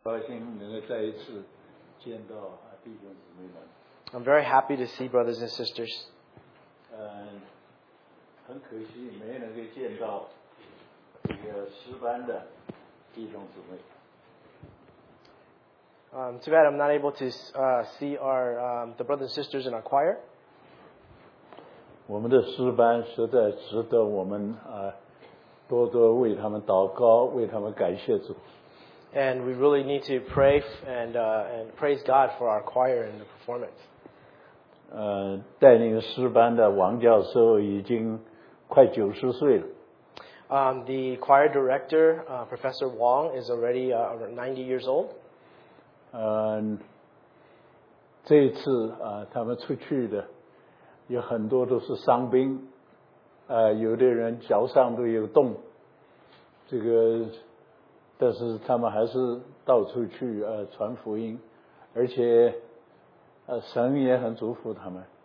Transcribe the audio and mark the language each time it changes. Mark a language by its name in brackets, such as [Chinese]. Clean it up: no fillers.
[Chinese] 高兴能够再一次见到弟兄姊妹们。 [English] I'm very happy to see brothers and sisters. [Chinese] 很可惜没能够见到这个诗班的弟兄姊妹。 [English] Too bad I'm not able to see the brothers and sisters in our choir. [Chinese] 我们的诗班实在值得我们多多为他们祷告，为他们感谢主。 [English] And we really need to pray and praise God for our choir and the performance. [Chinese] 带领诗班的王教授已经快90岁了。 [English] The choir director, Professor Wang, is already 90 years old. [Chinese] 这一次他们出去的有很多都是伤兵，有的人脚上都有洞，这个。但是他们还是到处去传福音，而且神也很祝福他们。